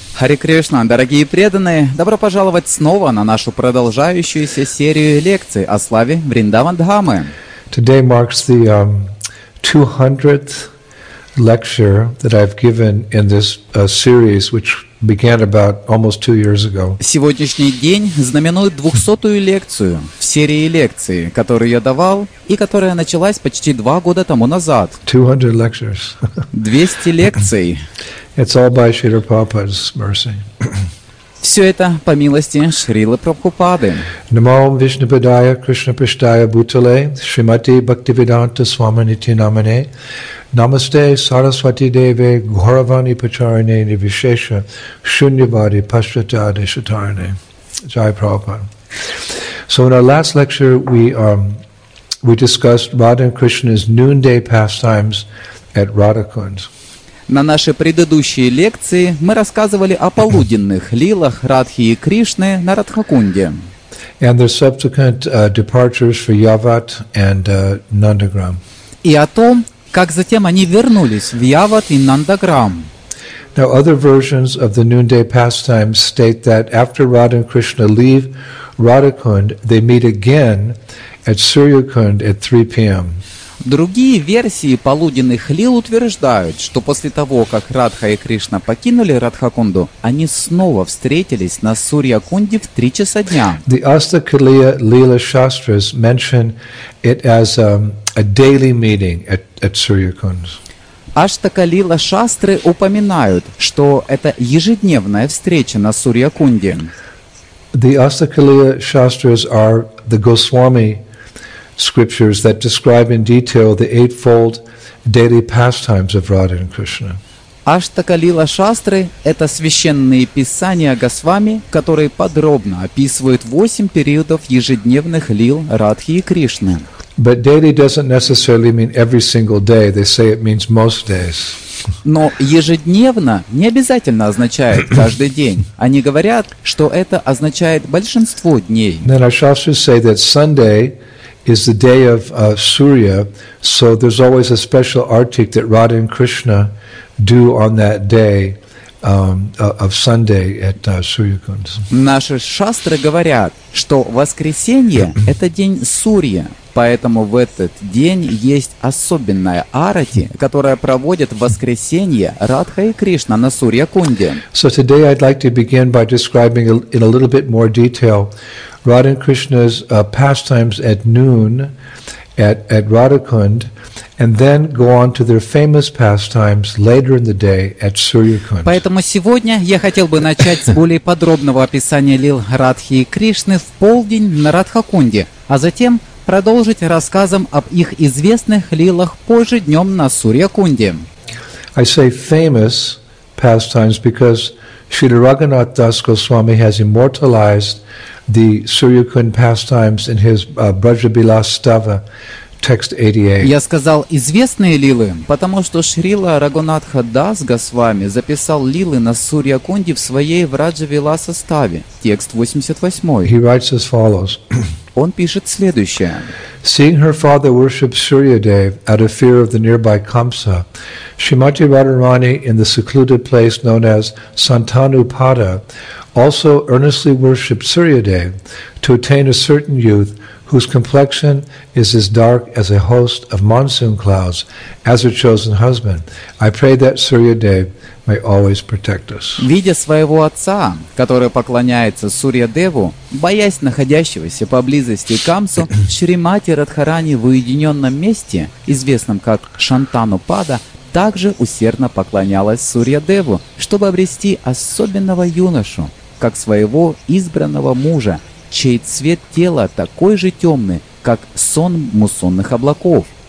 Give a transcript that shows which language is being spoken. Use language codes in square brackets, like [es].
[ru] Hare Krishna, дорогие преданные, добро пожаловать снова на нашу продолжающуюся серию лекций о славе Вриндаван Дхамы. [en] Today marks the 200th lecture that I've given in this series, which began about almost 2 years ago. [ru] Сегодняшний день знаменует 200-ю лекцию в серии лекций, которую я давал и которая началась почти 2 года тому назад. [en] 200 lectures. [ru] 200 лекций. [en] It's all by Srila Prabhupada's mercy. [ru] Все это по милости Шрилы Прабхупады. [sa] Намо Вишнупадая Кришна Приштая Бутале Шримати Бхактивиданта Свамините Намане Намасте Сарасвати Деве Гхоравани Пачарине Нивишеша Шуньявади Пашчатаде Шатарне. Jai Prabhupada. [en] So in our last lecture we discussed Radha and Krishna's noonday pastimes at Radhakund. [ru] На нашей предыдущей лекции мы рассказывали о полуденных лилах Радхи и Кришны на Радхакунде. [en] And their subsequent departures for Yavat and Nandagram. [ru] И о том, как затем они вернулись в Яват и Нандаграм. [en] Now other versions of the noonday pastime state that after Radha and Krishna leave Radhakund, they meet again at Suryakund at 3 p.m. [ru] Другие версии полуденных лил утверждают, что после того, как Радха и Кришна покинули Радхакунду, они снова встретились на Сурьякунде в 3 часа дня. [en] The Astakaliya Lila Shastras mention it as a daily meeting at Suryakund. [ru] Аштакалила Шастры упоминают, что это ежедневная встреча на Сурьякунде. [en] The Astakaliya Shastras are the Goswami scriptures that describe in detail the eightfold daily pastimes of Radha and Krishna. [ru] Аштакалила Шастры – это священные писания Госвами, которые подробно описывают 8 периодов ежедневных лил Радхи и Кришны. [en] But daily doesn't necessarily mean every single day. They say it means most days. [ru] Но ежедневно не обязательно означает каждый день. Они говорят, что это означает большинство дней. [en] Then our shastras say that Sunday is the day of Surya, so there's always a special artik that Radha and Krishna do on that day of Sunday at Suryakund. [ru] Наши шастры говорят, что воскресенье – это день Сурья, поэтому в этот день есть особенная арати, которая проводит воскресенье Радха и Кришна на Суryакунде. [en] So today I'd like to begin by describing in a little bit more detail Radha and Krishna's pastimes at noon at Radhakund, and then go on to their famous pastimes later in the day at Suryakund. [ru] Поэтому сегодня я хотел бы начать с более подробного описания лил Радхи и Кришны в полдень на Радхакунде, а затем продолжить рассказом об их известных лилах позже днем на Суryакунде. [en] I say famous pastimes because Srila Raghunath Das Goswami has immortalized the Suryakund pastimes in his Brajabilas Stava, text 88. [ru] Я сказал известные лилы, потому что Шрила Рагунатха Дас Госвами записал лилы на Суриакунде в своей Враджавиласа Ставе, текст 88. [en] He writes as follows. [ru] Он пишет следующее. [en] Seeing her father worship Suryadev out of fear of the nearby Kamsa, Shrimati Radharani in the secluded place known as Santanupada also earnestly worshipped Suryadev to attain a certain youth whose complexion is as dark as a host of monsoon clouds as her chosen husband. I pray that Suryadev may always protect us. [ru] Видя своего отца, который поклоняется Сурьядеву, боясь находящегося поблизости Камсу, Шримати Радхарани в уединенном месте, известном как Шантанупада, также усердно поклонялась Сурьядеву, чтобы обрести особенного юношу, как своего избранного мужа, чей цвет тела такой же темный, как сон муссонных облаков.